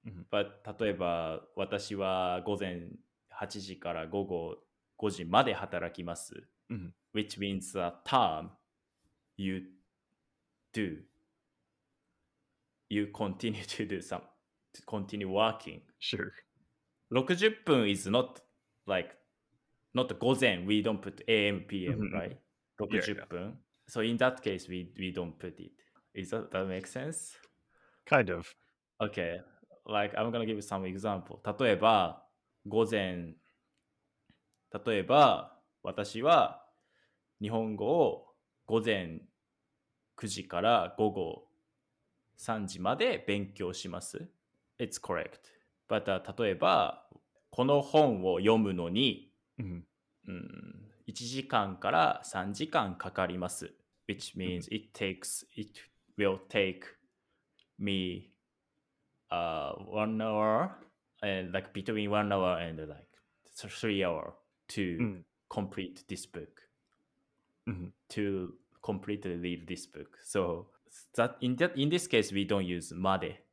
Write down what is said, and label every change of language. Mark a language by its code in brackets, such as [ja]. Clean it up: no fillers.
[ja] But 例えば私は午前8時から午後5時まで働きます。 [en] Which means the term you continue to do to continue working. Sure. 60分 is not like, not 午前, we don't put AM, PM, right? [ja] 60分。 [en] So in that case, we don't put it. Is that, that make sense? Kind of. Okay. Like, I'm going to give you some example. [ja] 例えば、午前、例えば、私は日本語を午前9時から午後3時まで勉強します。 [en] It's correct. [ja] But 例えば、この本を読むのに、1時間から3時間かかります。 [en] Which means it will take me 1 hour and like between 1 hour and like 3 hours to complete this book. To completely read this book. So that in this case, we don't use made.